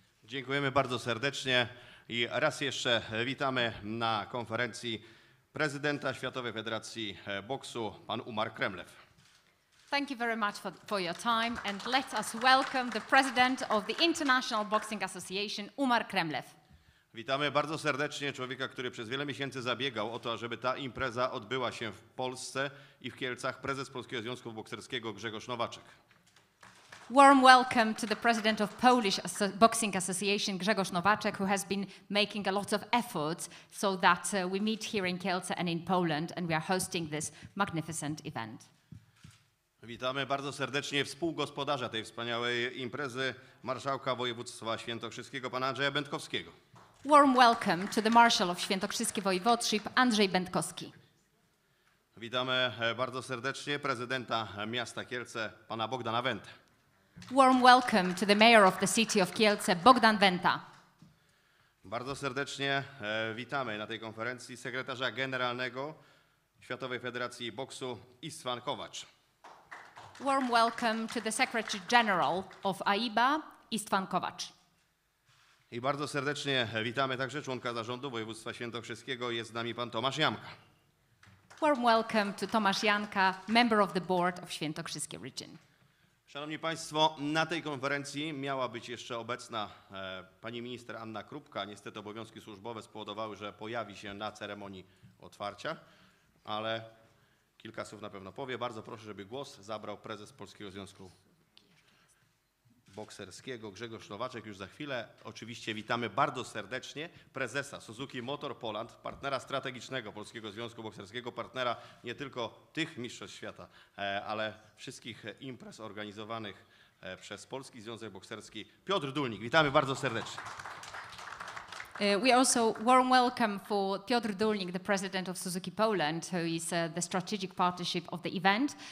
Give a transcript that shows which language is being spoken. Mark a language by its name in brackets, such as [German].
[Polish] Dziękujemy bardzo serdecznie i raz jeszcze witamy na konferencji prezydenta Światowej Federacji Boksu, pan Umar Kremlew. [English] Thank you very much for your time and let us welcome the president of the International Boxing Association, Umar Kremlew. [Polish] Witamy bardzo serdecznie człowieka, który przez wiele miesięcy zabiegał o to, żeby ta impreza odbyła się w Polsce i w Kielcach, prezes Polskiego Związku Bokserskiego Grzegorz Nowaczek. [English] Warm welcome to the president of Polish Boxing Association, Grzegorz Nowaczek, who has been making a lot of efforts so that we meet here in Kielce and in Poland and we are hosting this magnificent event. [Polish] Witamy bardzo serdecznie współgospodarza tej wspaniałej imprezy, marszałka województwa świętokrzyskiego, pana Andrzeja Będkowskiego. [English] Warm welcome to the marshal of Świętokrzyskie Województwo, Andrzej Będkowski. [Polish] Witamy bardzo serdecznie prezydenta miasta Kielce, pana Bogdana Wentę. [English] Warm welcome to the mayor of the city of Kielce, Bogdan Wenta. [Polish] Bardzo serdecznie witamy na tej konferencji sekretarza generalnego Światowej Federacji Boksu István Kovács. [English] Warm welcome to the secretary general of AIBA, István Kovács. [Polish] I bardzo serdecznie witamy także członka zarządu województwa świętokrzyskiego, jest z nami pan Tomasz Janka. [English] Warm welcome to Tomasz Janka, member of the board of Świętokrzyskie Region. [Polish] Szanowni Państwo, na tej konferencji miała być jeszcze obecna pani minister Anna Krupka. Niestety obowiązki służbowe spowodowały, że pojawi się na ceremonii otwarcia, ale kilka słów na pewno powie. Bardzo proszę, żeby głos zabrał prezes Polskiego Związku Bokserskiego Grzegorz Nowaczek już za chwilę. Oczywiście witamy bardzo serdecznie prezesa Suzuki Motor Poland, partnera strategicznego Polskiego Związku Bokserskiego, partnera nie tylko tych mistrzostw świata, ale wszystkich imprez organizowanych przez Polski Związek Bokserski, Piotr Dulnik. Witamy bardzo serdecznie. [English] We also warm welcome for Piotr Dulnik, the president of Suzuki Poland, who is the strategic partnership of the event.